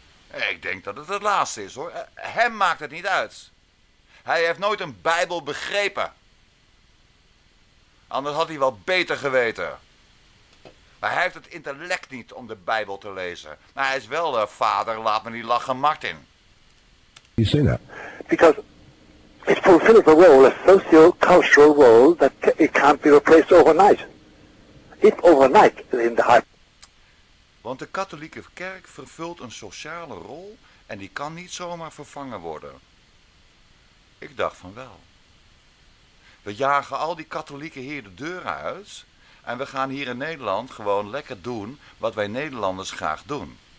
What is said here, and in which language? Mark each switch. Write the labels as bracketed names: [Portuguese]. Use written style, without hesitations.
[Dutch] Ik denk dat het laatste is hoor. Hem maakt het niet uit. Hij heeft nooit een Bijbel begrepen. Anders had hij wel beter geweten. Maar hij heeft het intellect niet om de Bijbel te lezen. Maar hij is wel de vader, laat me niet lachen, Martin. [English] You say that? Because it fulfills a role, a socio-cultural role, that it can't be replaced overnight. If overnight in the high. [Dutch] Want de katholieke kerk vervult een sociale rol en die kan niet zomaar vervangen worden. Ik dacht van wel. We jagen al die katholieken hier de deur uit en we gaan hier in Nederland gewoon lekker doen wat wij Nederlanders graag doen.